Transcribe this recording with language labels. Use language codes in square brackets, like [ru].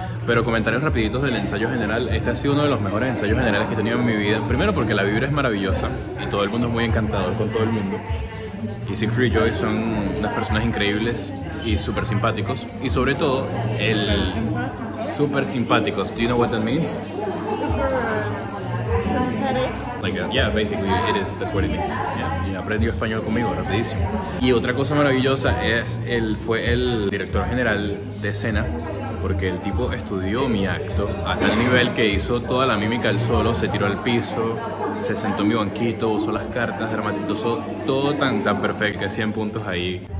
[es] Pero comentarios rapiditos del ensayo general. Este ha sido uno de los mejores ensayos generales que he tenido en mi vida. Primero porque la vibra es maravillosa y todo el mundo es muy encantador con todo el mundo. Y Siegfried Joy son unas personas increíbles y súper simpáticos. Y sobre todo, el súper simpáticos. [en] Do you know what that means? Yeah, basically it is, that's what it means. [es] Aprendió español conmigo, rapidísimo. Y otra cosa maravillosa es, él fue el director general de escena, porque el tipo estudió mi acto hasta el nivel que hizo toda la mímica él solo, se tiró al piso, se sentó en mi banquito, usó las cartas, dramatizó todo tan, tan perfecto, que 100 puntos ahí.